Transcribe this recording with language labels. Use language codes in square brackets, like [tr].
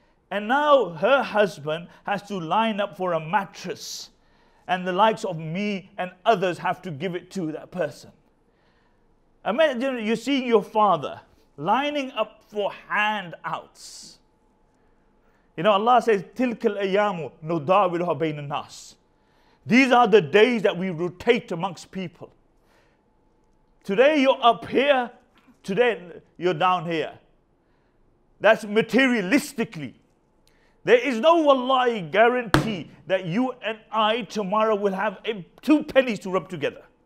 [en] And now her husband has to line up for a mattress. And the likes of me and others have to give it to that person. Imagine you're seeing your father lining up for handouts. You know, Allah says, [ar] تِلْكَ الْأَيَّامُ نُدَاوِلُهَا بَيْنَ النَّاسِ. [en] These are the days that we rotate amongst people. Today you're up here, today you're down here. That's materialistically. There is no wallahi guarantee that you and I tomorrow will have two pennies to rub together.